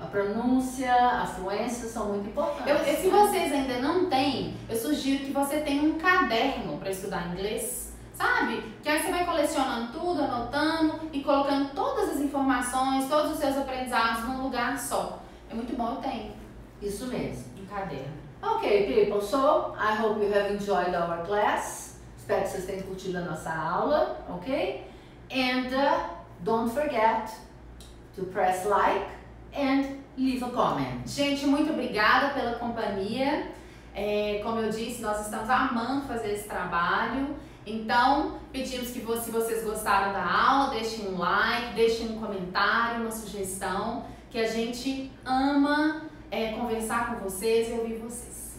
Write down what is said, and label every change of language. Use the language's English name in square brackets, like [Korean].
[Portuguese] A pronúncia, a fluência são muito importantes. Se vocês ainda não têm, eu sugiro que você tenha um caderno para estudar inglês. Sabe? Que aí você vai colecionando tudo, anotando e colocando todas as informações, todos os seus aprendizados num lugar só. É muito bom, eu tenho. Isso mesmo. Um caderno. [English] Ok, people. So, I hope you have enjoyed our class. [Portuguese] Espero que vocês tenham curtido a nossa aula, ok? [English] And don't forget to press like and leave a comment. [Portuguese] Gente, muito obrigada pela companhia. É, como eu disse, nós estamos amando fazer esse trabalho. Então, pedimos que se vocês gostaram da aula, deixem um like, deixem um comentário, uma sugestão, que a gente ama conversar com vocês e ouvir vocês.